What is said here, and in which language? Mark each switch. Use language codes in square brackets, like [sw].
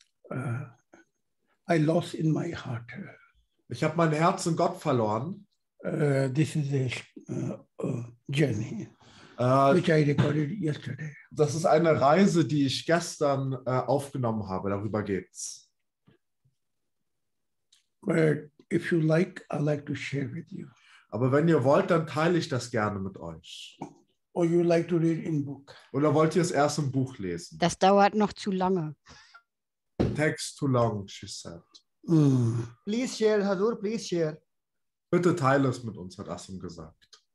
[en] I lost in my heart. [de] Ich habe mein Herz in Gott verloren. [en] This is a journey. Which I recorded yesterday. [de] Das ist eine Reise, die ich gestern aufgenommen habe. Darüber geht's. [en] But if you like, I'd like to share with you. [de] Aber wenn ihr wollt, dann teile ich das gerne mit euch. [en] Or you like to read in book. [de] Oder wollt ihr es erst im Buch lesen? Das dauert noch zu lange. [en] Text too long, she said. Mm. Please share, Hazur, please share. [de] Bitte teile es mit uns, hat Asim gesagt.